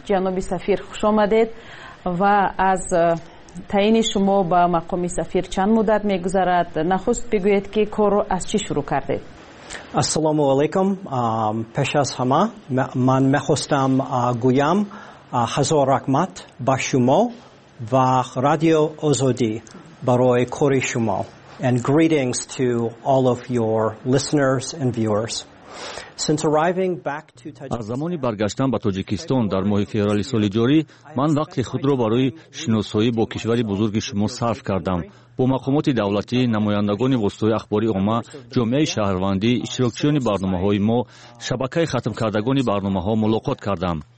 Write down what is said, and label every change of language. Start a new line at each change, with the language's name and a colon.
Persian: جناب سفیر خوش آمدید و از تعیین شما با مقام سفیر چند مدت میگذرد؟ نخست بگویید که کار از چی شروع کردید؟ السلام علیکم. پیش از همه من میخواستم گویم هزار رحمت با شما و رادیو آزادی برای کار شما.
English: And greetings to all of your listeners and viewers. Since arriving back to Tajikistan,
Persian: از زمانی برگشتم به تاجیکستان در ماه فوریه سال جاری، من وقت خود را برای شناسایی با کشوری بزرگ شما صرف کردم. با مقامات دولتی، نمایندگان واسطه اخباری عامه، جامعه شهروندی، اشتراکچیان برنامه‌های ما، شبکه ختم کردگان برنامه‌ها ملاقات کردم.